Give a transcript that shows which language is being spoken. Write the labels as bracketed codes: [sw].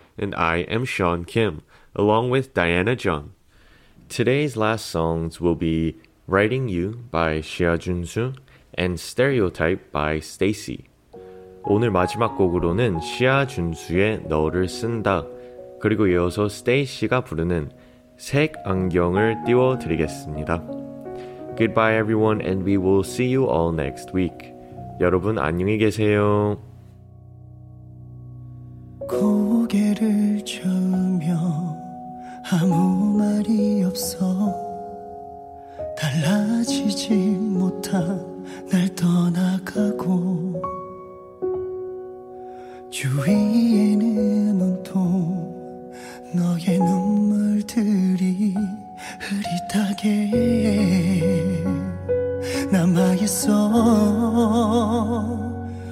[en] And I am Sean Kim, along with Diana Jung. Today's last songs will be Writing You by Shia Jun-soo and Stereotype by Stacy. [ko] 오늘 마지막 곡으로는 시아 준수의 너를 쓴다, 그리고 이어서 스테이시가 부르는 색 안경을 띄워드리겠습니다. [en] Goodbye everyone, and we will see you all next week. [ko] 여러분 안녕히 계세요. 고개를 저으며 아무 말이 없어 달라지지 못한 날 떠나가고 주위에는 온통 너의 눈물들이 흐릿하게 남아있어.